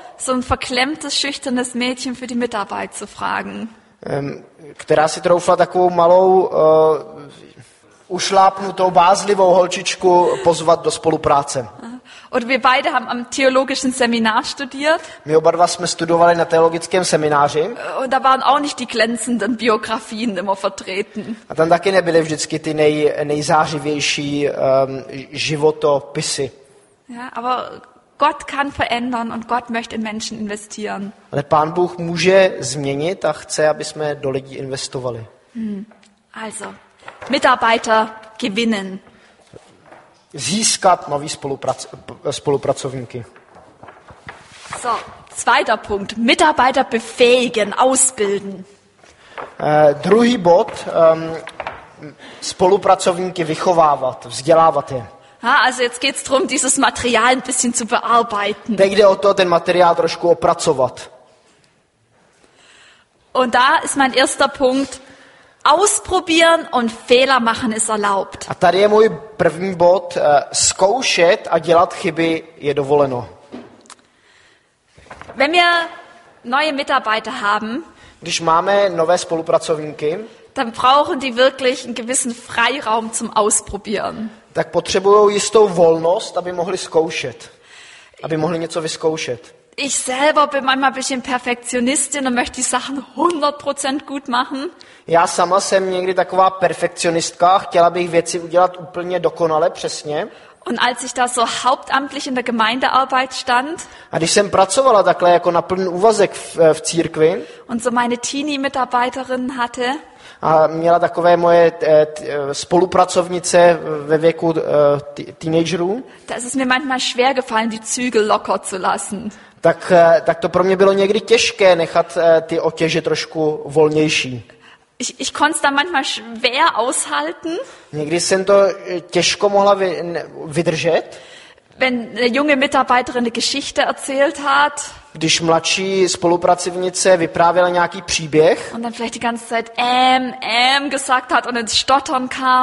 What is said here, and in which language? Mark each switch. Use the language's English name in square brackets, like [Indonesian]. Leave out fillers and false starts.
[German] so ein verklemmtes, schüchternes Mädchen für die Mitarbeit zu fragen. [Czech] Která si troufla takovou malou ušlápnutou, bázlivou holčičku pozvat do spolupráce. [German] Oder wir beide haben am theologischen Seminar studiert. [Czech] My oba dva jsme studovali na teologickém semináři. [German] Und da waren auch nicht die glänzenden Biografien immer vertreten. [Czech] A tam taky nebyly vždycky ty nejzářivější životopisy. [German] Ja, aber Gott kann verändern und Gott möchte in Menschen investieren. [Czech] Ale Pán Bůh může změnit a chce, aby jsme do lidí investovali. [German] Also, Mitarbeiter gewinnen. [Czech] Získat nový spolupracovníky. [German] So, zweiter Punkt. Mitarbeiter befähigen, ausbilden. [Czech] Druhý bod. Spolupracovníky vychovávat, vzdělávat je. [German] Ha, also jetzt geht's drum, dieses Material ein bisschen zu bearbeiten. [Czech] Teď jde o to, ten materiál trošku opracovat. [German] Und da ist mein erster Punkt. Ausprobieren und Fehler machen ist erlaubt. [Czech] A tady je můj první bod, zkoušet a dělat chyby je dovoleno. [German] Wenn wir neue Mitarbeiter haben, [Czech] když máme nové spolupracovníky, [German] dann brauchen die wirklich einen gewissen Freiraum zum Ausprobieren. [Czech] Tak potřebují jistou volnost, aby mohli zkoušet. aby mohli něco vyzkoušet. [German] Ich selber bin manchmal ein bisschen Perfektionistin und möchte die Sachen 100% gut machen. [Czech] Já sama jsem někdy taková perfekcionistka, chtěla bych věci udělat úplně dokonale, přesně. [German] Und als ich da so hauptamtlich in der Gemeindearbeit stand, [Czech] a když jsem pracovala takhle jako na plný úvazek v církvi, [German] und so meine Teenie-Mitarbeiterin hatte, [Czech] a měla takové moje spolupracovnice ve věku teenagerů, [German] das ist mir manchmal schwer gefallen, die Zügel locker zu lassen. [Czech] Tak to pro mě bylo někdy těžké nechat ty otěže trošku volnější. [German] Ich konnte es dann manchmal schwer aushalten. [Czech] Někdy jsem to těžko mohla vydržet. [German] Wenn eine junge Mitarbeiterin eine Geschichte erzählt hat. [Czech] Když mladší spolupracovnice vyprávěla nějaký příběh. [German] Und dann vielleicht die ganze Zeit gesagt hat und ins Stottern kam.